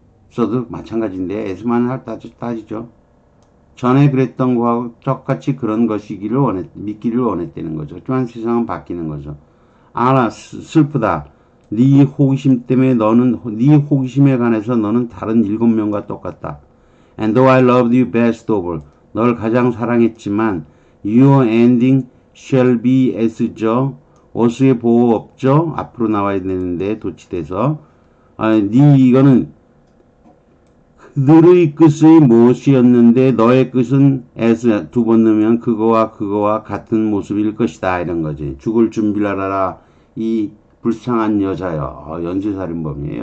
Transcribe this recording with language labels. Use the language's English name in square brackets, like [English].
[Korean] 써도 마찬가지인데, 에서만 따지죠. 전에 그랬던 것과 똑같이 그런 것이기를 믿기를 원했다는 거죠. 하지만 세상은 바뀌는 거죠. 알아, 슬프다. 네 호기심 때문에 너는, 네 호기심에 관해서 너는 다른 일곱 명과 똑같다. [English] And though I loved you best of all, [Korean] 널 가장 사랑했지만, [English] your ending shall be as죠. [Korean] 어수의 보호 없죠. 앞으로 나와야 되는데, 도치돼서. 이거는 그들의 끝이 무엇이었는데, 너의 끝은 as, 두번 넣으면 그거와 그거와 같은 모습일 것이다. 이런 거지. 죽을 준비를 하라. 이 불쌍한 여자요. 연쇄살인범이에요.